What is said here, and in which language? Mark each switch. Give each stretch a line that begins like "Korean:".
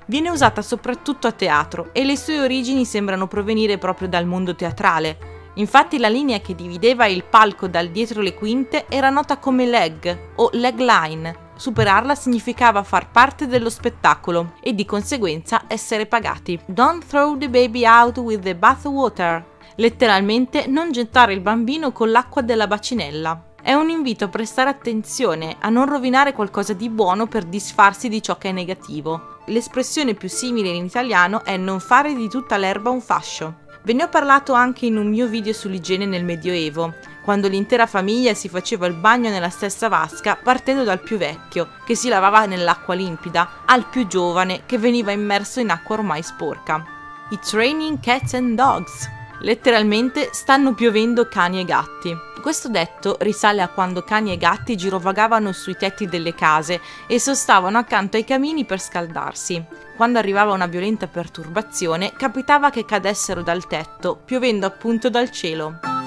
Italian: Viene usata soprattutto a teatro e le sue origini sembrano provenire proprio dal mondo teatrale. Infatti la linea che divideva il palco dal dietro le quinte era nota come leg o leg line. Superarla significava far parte dello spettacolo e di conseguenza essere pagati.
English: Don't throw the baby out with the bathwater.
Italian: Letteralmente, non gettare il bambino con l'acqua della bacinella. È un invito a prestare attenzione, a non rovinare qualcosa di buono per disfarsi di ciò che è negativo. L'espressione più simile in italiano è non fare di tutta l'erba un fascio. Ve ne ho parlato anche in un mio video sull'igiene nel Medioevo, quando l'intera famiglia si faceva il bagno nella stessa vasca, partendo dal più vecchio, che si lavava nell'acqua limpida, al più giovane, che veniva immerso in acqua ormai sporca.
English: It's raining cats and dogs.
Italian: Letteralmente, stanno piovendo cani e gatti. Questo detto risale a quando cani e gatti girovagavano sui tetti delle case e sostavano accanto ai camini per scaldarsi. Quando arrivava una violenta perturbazione, capitava che cadessero dal tetto, piovendo appunto dal cielo.